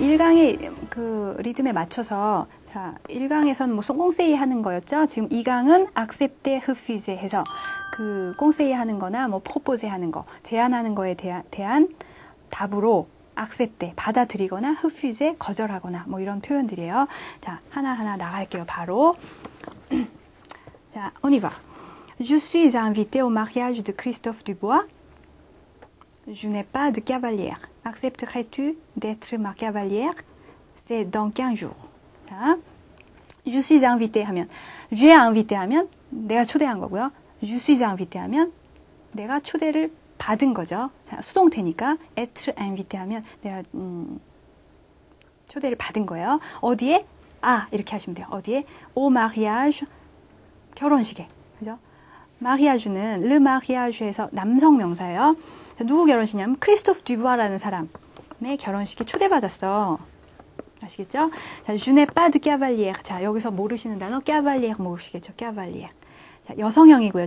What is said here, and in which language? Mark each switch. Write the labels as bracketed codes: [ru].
[ko] 1강의 그 리듬에 맞춰서 자, 1강에선 뭐 송공세이 하는 거였죠. 지금 2강은 accepte, refuse 해서 그 공세이 하는 거나 뭐 propose 하는 거, 제안하는 거에 대한 답으로 accepte, 받아들이거나 refuse, 거절하거나 뭐 이런 표현들이에요. 자, 하나하나 나갈게요. 바로 자, [fr] on y va. Je suis invité au mariage de Christophe Dubois. Je n'ai pas de cavalière. Accepterais-tu d'être ma cavalière? C'est dans 15 jours. [ko] 자, [fr] je suis invité [ko] 하면, [fr] j'ai invité [ko] 하면 내가 초대한 거고요. [fr] Je suis invité [ko] 하면 내가 초대를 받은 거죠. 자, 수동태니까 [fr] être invité [ko] 하면 내가 초대를 받은 거예요. 어디에? 아, 이렇게 하시면 돼요. 어디에? [fr] Au mariage, [ko] 결혼식에. 그죠? Mariage는 le mariage에서 남성 명사예요. 누구 결혼식이냐면 크리스토프 듀부아라는 사람의 결혼식에 초대받았어. 아시겠죠? 자, [fr] je n'ai pas de cavalier. [ko] 자, 여기서 모르시는 단어 cavalier 모르시겠죠? cavalier. 자, 여성형이고요.